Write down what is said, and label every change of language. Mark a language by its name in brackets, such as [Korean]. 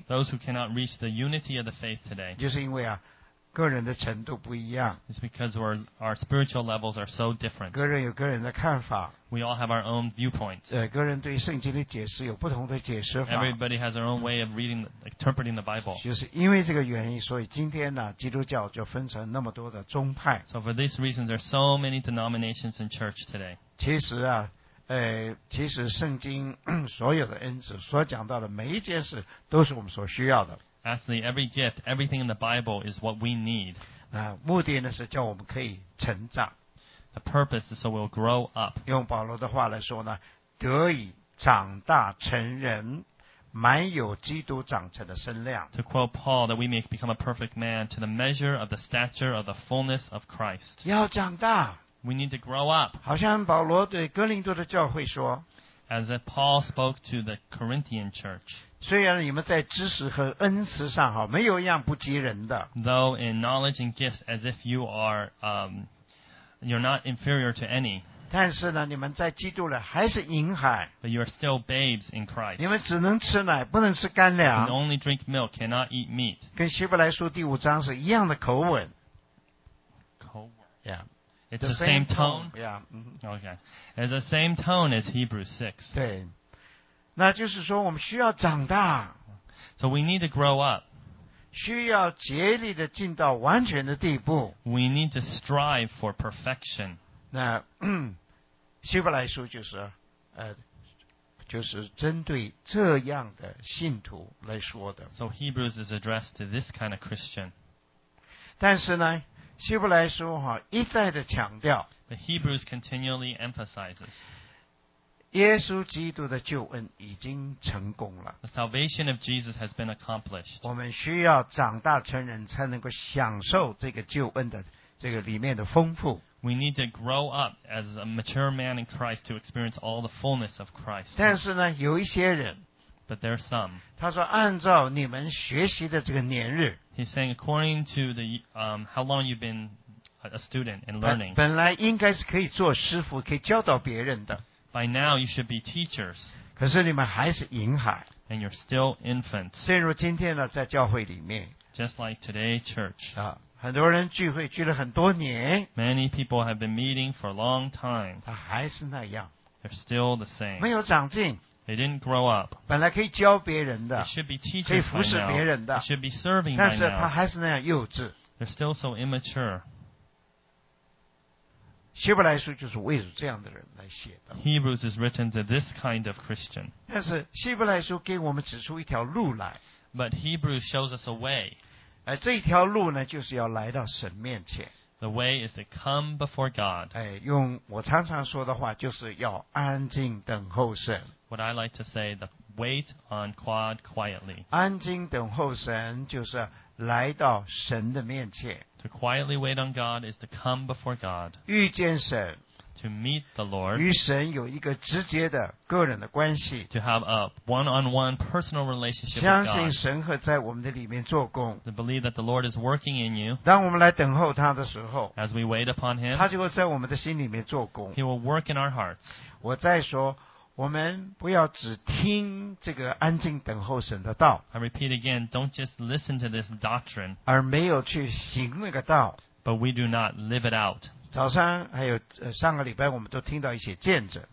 [English] Those who cannot reach the unity of the faith today. [Chinese] 就是因为啊，个人的程度不一样。 [English] It's because our spiritual levels are so different. [Chinese] 个人有个人的看法。 [English] We all have our own viewpoints. [Chinese] 个人对圣经的解释有不同的解释法。 [English] Everybody has their own way of reading, interpreting the Bible. [Chinese] 就是因为这个原因，所以今天呢，基督教就分成那么多的宗派。 [English] So for this reason, there are so many denominations in church today. [Chinese] 其实啊。其实圣经所有的恩赐所讲到的每一件事都是我们所需要的。 [English] Actually, every gift, everything in the Bible is what we need. [Chinese] 目的呢是叫我们可以成长。 [English] The purpose is so we'll grow up. [Chinese] 用保罗的话来说呢，得以长大成人，满有基督长成的身量。 [English] To quote Paul, that we may become a perfect man to the measure of the stature of the fullness of Christ. [Chinese] 要长大。 [English] We need to grow up. [Chinese] 好像保罗对哥林多的教会说， [English] As Paul spoke to the Corinthian church. [Chinese] 虽然你们在知识和恩慈上好，没有一样不及人的。 [English] Though in knowledge and gifts, as if you are, you're not inferior to any. [Chinese] 但是呢，你们在基督里还是婴孩。 [English] But you are still babes in Christ. [Chinese] 你们只能吃奶，不能吃干粮。 [English] You can only drink milk, cannot eat meat. [Chinese] 跟希伯来书第五章是一样的口吻。口吻。 [English] Yeah. It's the same tone. Yeah. Okay. It's the same tone as Hebrews 6. [Chinese] 对。那就是说我们需要长大。 [English] So we need to grow up. [Chinese] 需要竭力地进到完全的地步。 [English] We need to strive for perfection. [Chinese] 那希伯来书就是针对这样的信徒来说的。 [English] So Hebrews is addressed to this kind of Christian. [Chinese] 但是呢希伯来书哈一再的强调 [English] ，The Hebrews continually emphasizes， [Chinese] 耶稣基督的救恩已经成功了 [English] ，The salvation of Jesus has been accomplished。 [Chinese] 我们需要长大成人才能够享受这个救恩的这个里面的丰富。 [English] We need to grow up as a mature man in Christ to experience all the fullness of Christ。 [Chinese] 但是呢，有一些人。 [English] But there are some. [Chinese] 他说按照你们学习的这个年日。 [English] He's saying according to the, how long you've been a student and learning. [Chinese] 本来应该是可以做师傅，可以教导别人的。 [English] By now you should be teachers. [Chinese] 可是你们还是婴孩。 [English] And you're still infants. [Chinese] 正如今天呢，在教会里面。 [English] Just like today church. [Chinese] 很多人聚会聚了很多年。 [English] Many people have been meeting for a long time. [Chinese] 他还是那样。 [English] They're still the same. [Chinese] 没有长进。 [English] They didn't grow up. [Chinese] 本来可以教别人的， [English] should be teachers [Chinese] 可以服侍别人的， [English] should be serving [Chinese] 但是他还是那样幼稚。 [English] They're still so immature. [Chinese] 希伯来书就是为了这样的人来写的。 [English] Hebrews is written to this kind of Christian. [Chinese] 但是希伯来书给我们指出一条路来。 [English] But Hebrews shows us a way. [Chinese] 这一条路呢，就是要来到神面前。 [English] The way is to come before God. [Chinese] 用我常常说的话，就是要安静等候神。 [English] What I like to say, the wait on God quietly. [Chinese] 安静等候神就是来到神的面前。 [English] To quietly wait on God is to come before God. [Chinese] 遇见神。 [English] to meet the Lord, [Chinese] 与神有一个直接的个人的关系, [English] to have a one-on-one personal relationship with God, [Chinese] 相信神和在我们的里面做工, [English] to believe that the Lord is working in you, [Chinese] 当我们来等候他的时候, [English] as we wait upon him, [Chinese] 他就会在我们的心里面做工, [English] he will work in our hearts. [Chinese] 我再说我们不要只听这个安静等候神的道 [English] I repeat again, don't just listen to this doctrine [Chinese] 而没有去行那个道 [English] But we do not live it out [Chinese] 早上还有上个礼拜我们都听到一些见证